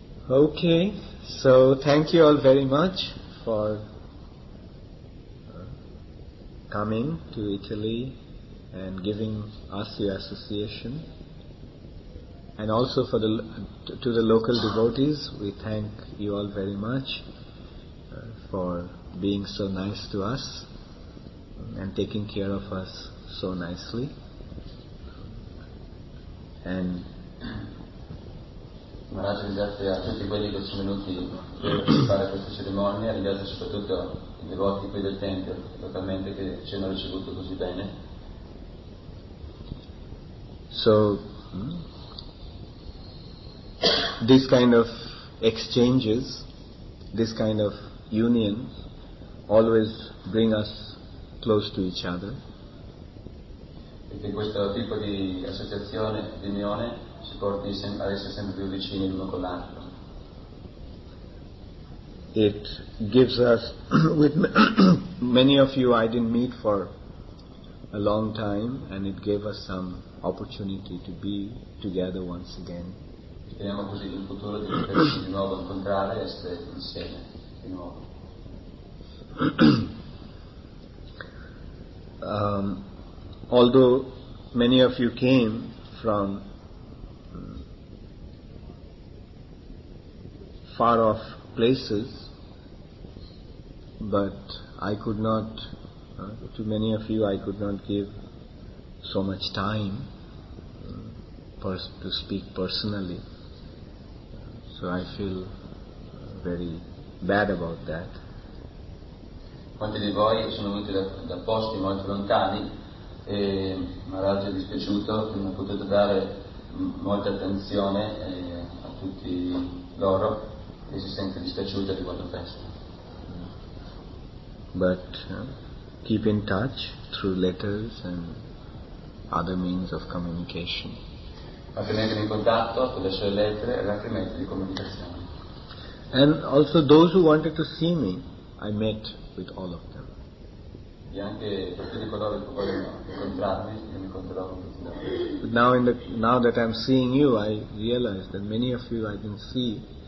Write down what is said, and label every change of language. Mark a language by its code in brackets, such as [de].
[en] Okay, so thank you all very much for coming to Italy and giving us your association, and also for the to the local devotees, we thank you all very much for being so nice to us and taking care of us so nicely. And [it] grazie a tutti quelli che sono venuti per fare questa cerimonia, ringrazio soprattutto i devoti qui del tempio, totalmente, che ci hanno ricevuto così bene. [en] So, this kind of exchanges, this kind of union, always bring us close to each other. [it] E che questo tipo di associazione, di unione, si porti ad essere sempre più vicini l'uno con l'altro. [en] It gives us, with many of you I didn't meet for a long time, and it gave us some opportunity to be together once again. [it] Speriamo così in futuro di potersi di nuovo incontrare e essere insieme di nuovo. [en] Although many of you came from far off places, but I could not, to many of you, I could not give so much time to speak personally. So I feel very bad about that. [it] Quanti di voi sono venuti da posti molto lontani e Maharaj è dispiaciuto che non potete dare molta attenzione a tutti loro e si sente dispiaciuto di quanto presto. [en] But keep in touch through letters and other means of communication. [it] Mantenetevi in contatto attraverso le lettere e altri mezzi di comunicazione. [en] And also those who wanted to see me, I met with all of them. [it] E anche per tutti coloro che volevano incontrarmi, io mi incontrerò con tutti loro. [en] But now that I'm seeing you, I realize that many of you I didn't see.